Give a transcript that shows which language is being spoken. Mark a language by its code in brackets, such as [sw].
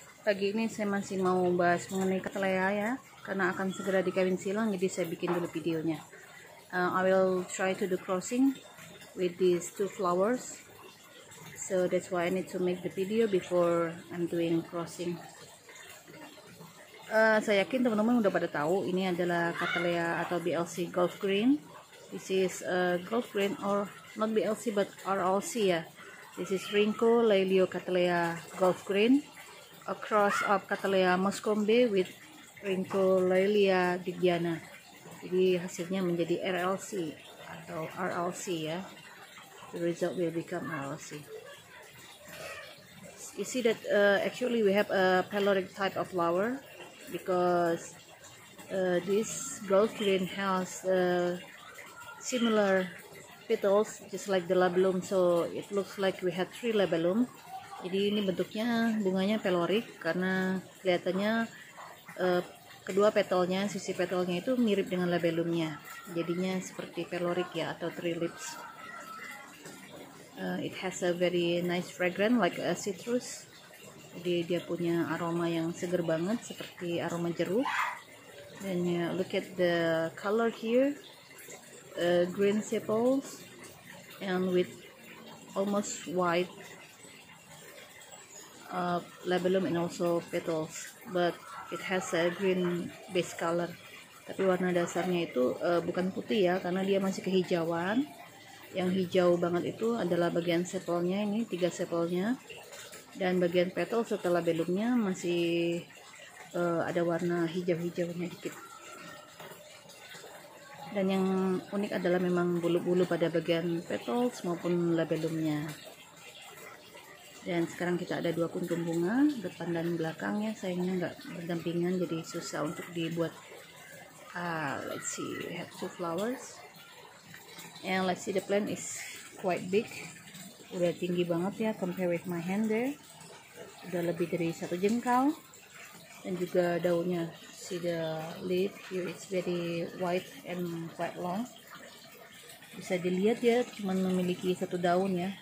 [id] Pagi ini saya masih mau bahas mengenai Cattleya ya, karena akan segera dikawin silang, jadi saya bikin dulu videonya. [en] I will try to do crossing with these two flowers, so that's why I need to make the video before I'm doing crossing. [id] Saya yakin teman-teman udah pada tahu ini adalah Cattleya atau Rlc Golf Green. [en] This is a golf green, or not Rlc but Rlc ya. This is Rlc Lelio Cattleya Golf Green, a cross of Cattleya Moscombe with Rlc Lelia digbyana. [id] Jadi hasilnya menjadi Rlc atau Rlc ya. [en] The result will become Rlc. You see that actually we have a peloric type of flower, because this golf green has similar petals just like the labellum, so it looks like we had three labellum. [id] Jadi ini bentuknya bunganya pelorik karena kelihatannya kedua petalnya, sisi petalnya itu mirip dengan labellumnya, jadinya seperti pelorik ya, atau [en] three lips. It has a very nice fragrance like a citrus. [id] Jadi dia punya aroma yang seger banget seperti aroma jeruk. [en] Then look at the color here. Green sepals and with almost white labellum and also petals, but it has a green base color. [id] Tapi warna dasarnya itu bukan putih ya, karena dia masih kehijauan. Yang hijau banget itu adalah bagian sepalnya, ini tiga sepalnya, dan bagian petal serta labellumnya masih ada warna hijau-hijaunya dikit. Dan yang unik adalah memang bulu-bulu pada bagian petals maupun labellumnya. Dan sekarang kita ada dua kuntum bunga, depan dan belakang ya. Sayangnya nggak berdampingan, jadi susah untuk dibuat. [en] Let's see, we have two flowers. And let's see, the plant is quite big. [id] Udah tinggi banget ya, [en] compare with my hand there. [id] Udah lebih dari satu jengkal. Dan juga daunnya. [en] See the lid here, it's very white and quite long. [id] Bisa dilihat ya, cuma memiliki satu daun ya.